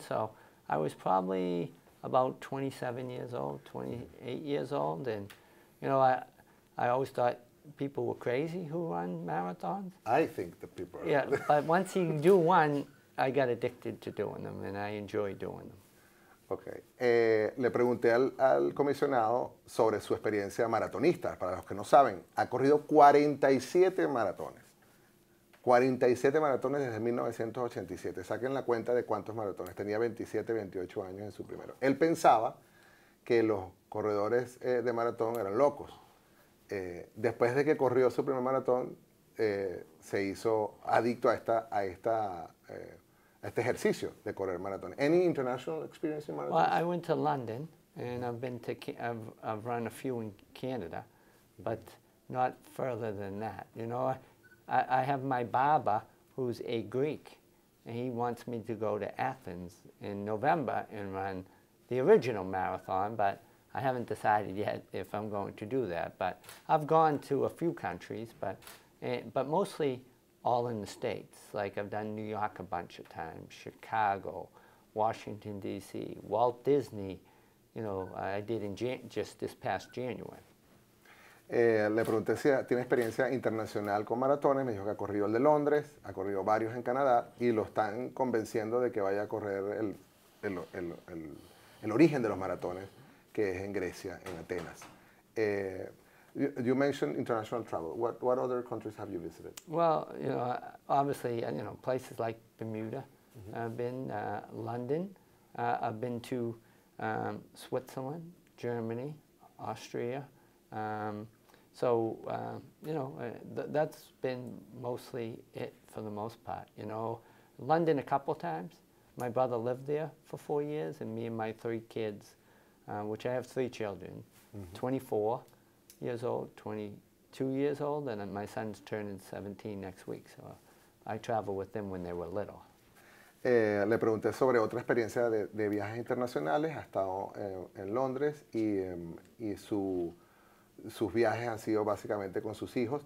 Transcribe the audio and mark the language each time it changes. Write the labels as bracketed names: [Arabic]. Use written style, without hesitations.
[English] So I was probably about 27 years old, 28 years old. And, you know, I always thought people were crazy who run marathons. I think the people are. Yeah, but once you do one, I got addicted to doing them, and I enjoy doing them. Okay. [Spanish] Le pregunté al comisionado sobre su experiencia maratonista. Para los que no saben, ha corrido 47 maratones. 47 maratones desde 1987. Saquen la cuenta de cuántos maratones. Tenía 27, 28 años en su primero. Él pensaba que los corredores de maratón eran locos. Después de que corrió su primer maratón, se hizo adicto a este ejercicio de correr maratón. [English] Any international experience in marathons? Well, I went to London and I've run a few in Canada, but not further than that. You know, I have my baba who's a Greek, and he wants me to go to Athens in November and run the original marathon, but I haven't decided yet if I'm going to do that. But I've gone to a few countries, but mostly all in the States. Like I've done New York a bunch of times, Chicago, Washington, D.C., Walt Disney, you know, I did in just this past January. [Spanish] Le pregunté si tiene experiencia internacional con maratones, me dijo que ha corrido el de Londres, ha corrido varios en Canadá, y lo están convenciendo de que vaya a correr el origen de los maratones, que es en Grecia, en Atenas. [English] You mentioned international travel. What other countries have you visited? Well, you know, obviously, you know, places like Bermuda. Mm-hmm. I've been to London. I've been to Switzerland, Germany, Austria. That's been mostly it for the most part. You know, London a couple times. My brother lived there for 4 years, and me and my three kids, which I have three children, mm-hmm. 24. Years old, 22 years old, and my son's turning 17 next week. So I travel with them when they were little. [Spanish] Le pregunté sobre otra experiencia de viajes internacionales. Ha estado en Londres y sus viajes han sido básicamente con sus hijos.